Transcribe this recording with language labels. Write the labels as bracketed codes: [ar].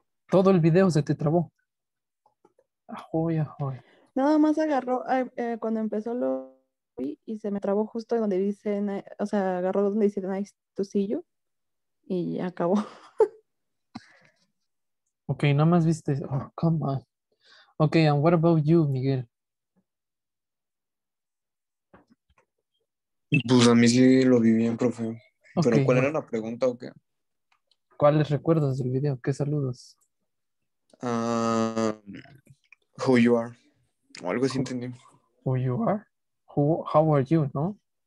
[es] ¿Todo el video se te trabó? Ajoy, ajoy. Nada más agarró, cuando empezó lo vi y se me trabó justo donde dice, o sea, agarró donde dice [en] nice to see you [es] y acabó. Ok, nada más viste, [en] oh, come on. Okay, and what about you, Miguel? [es] Pues a mí sí lo vi bien, profe. Okay, pero ¿cuál era la pregunta o qué? ¿Cuáles recuerdos del video? ¿Qué saludos? [en] Who you are. [es] O algo así entendí. [en] Who you are? How are you, ¿no?